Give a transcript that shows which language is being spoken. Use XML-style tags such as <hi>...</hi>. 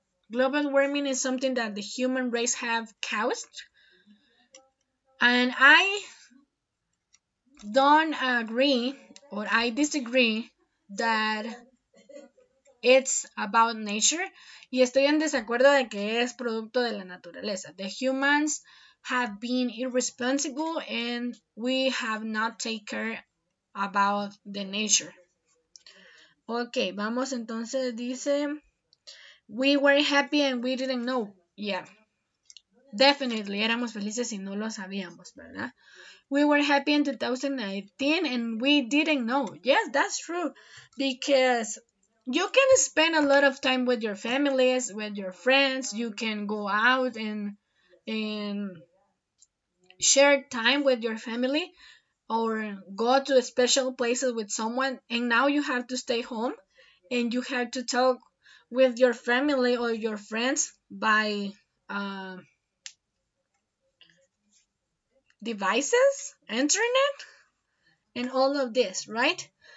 <en>Global warming is something that the human race have caused. And I don't agree or I disagree that it's about nature.</en> <es>Y estoy en desacuerdo de que es producto de la naturaleza.</es> <en>The humans have been irresponsible and we have not taken care about the nature.</en> <es>Ok, vamos entonces, dice,</es> <en>we were happy and we didn't know. Yeah, definitely,</en> <es>éramos felices y no lo sabíamos, ¿verdad?</es> <en>We were happy in 2019 and we didn't know. Yes, that's true, because you can spend a lot of time with your families, with your friends, you can go out and share time with your family, or go to special places with someone, and now you have to stay home, and you have to talk with your family or your friends by devices, internet, and all of this, right?</en>